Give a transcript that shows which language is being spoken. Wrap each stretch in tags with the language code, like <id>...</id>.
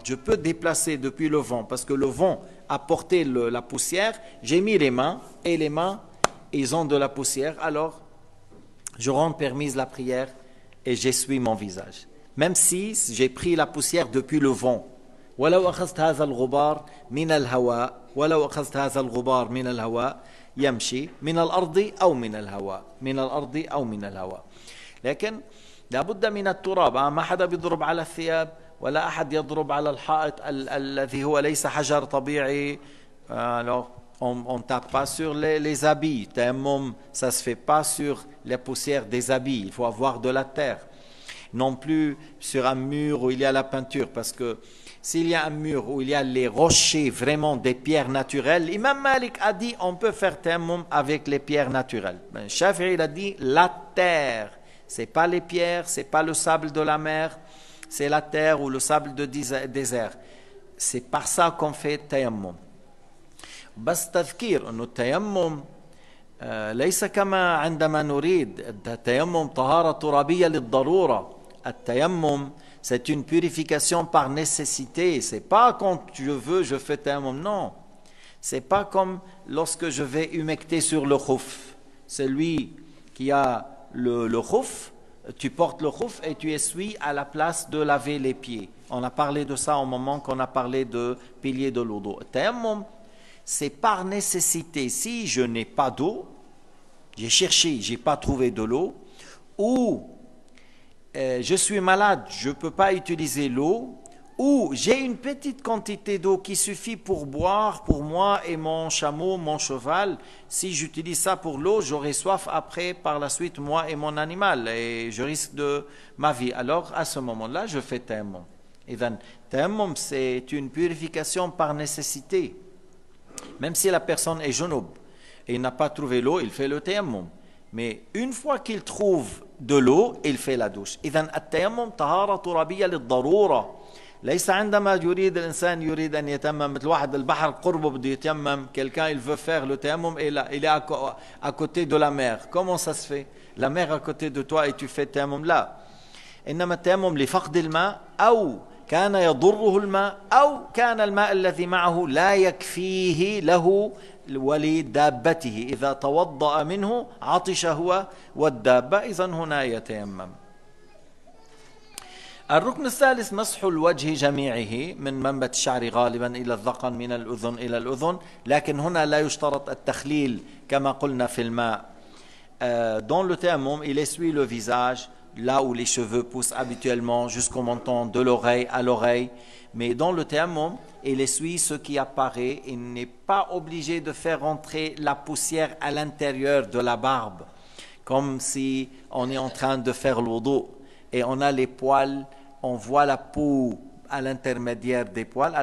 <fr>Je peux déplacer depuis le vent parce que le vent a porté la poussière. J'ai mis les mains et les mains, ils ont de la poussière. Alors, je rends permise la prière et j'essuie mon visage, même si j'ai pris la poussière depuis le vent.</fr> <ar>ولو أخذت هذا الغبار من الهواء ولو أخذت هذا الغبار من الهواء يمشي من الأرض أو من الهواء من الأرض أو من الهواء. لكن لا بد من التراب. ما حدا بيضرب على الثياب ولا أحد يضرب على الحائط الذي هو ليس حجر طبيعي.</ar> <fr>On tape pas sur les habits. Tayammum, ça se fait pas sur la poussière des habits. Il faut avoir de la terre. Non plus sur un mur où il y a la peinture. Parce que s'il y a un mur où il y a les rochers, vraiment des pierres naturelles, Imam Malik a dit on peut faire tayammum avec les pierres naturelles. Ben, Shafi'i a dit la terre. C'est pas les pierres, c'est pas le sable de la mer. C'est la terre ou le sable de désert. C'est par ça qu'on fait tayammum.</fr> <ar>بس تذكير أن التيمم ليس كما عندما نريد التيمم طهارة ترابية للضرورة.</ar> <fr>التيمم c'est une purification par nécessité. C'est pas quand je veux je fais tayammum, non. C'est pas comme lorsque je vais humecter sur le khouf. Celui qui a le khouf, tu portes le khouf et tu essuies à la place de laver les pieds. On a parlé de ça au moment qu'on a parlé de pilier de l'eau. Tayammum, c'est par nécessité. Si je n'ai pas d'eau, j'ai cherché, je n'ai pas trouvé de l'eau, ou je suis malade, je ne peux pas utiliser l'eau, ou j'ai une petite quantité d'eau qui suffit pour boire pour moi et mon chameau, mon cheval. Si j'utilise ça pour l'eau, j'aurai soif après, par la suite, moi et mon animal, et je risque de ma vie. Alors, à ce moment-là, je fais tayammum. Et donc, tayammum, c'est une purification par nécessité. Même si la personne est jeûneau et n'a pas trouvé l'eau, il fait le tayammum. Mais une fois qu'il trouve de l'eau, il fait la douche.</fr> <ar>إذن التيمم طهارة ترابية للضرورة. ليس عندما يريد الإنسان يريد أن يتيمم مثل واحد البحر قربه بده يتيمم.</ar> <fr>Quelqu'un il veut faire le tayammum et là il est à côté de la mer. Comment ça se fait? La mer à côté de toi et tu fais tayammum là.</fr> <ar>إنما التيمم لفقد الماء أو كان يضره الماء أو كان الماء الذي معه لا يكفيه له ولدابته إذا توضأ منه عطش هو والدابة إذن هنا يتيمم. الركن الثالث مسح الوجه جميعه من منبت الشعر غالبا إلى الذقن من الأذن إلى الأذن، لكن هنا لا يشترط التخليل كما قلنا في الماء.</ar> <fr>Dans le thermom, il essuie le visage là où les cheveux poussent habituellement jusqu'au menton, de l'oreille à l'oreille. Mais dans le thermom, il essuie ce qui apparaît. Il n'est pas obligé de faire rentrer la poussière à l'intérieur de la barbe, comme si on est en train de faire l'wudu et on a les poils, on voit la peau à l'intermédiaire des poils.</fr>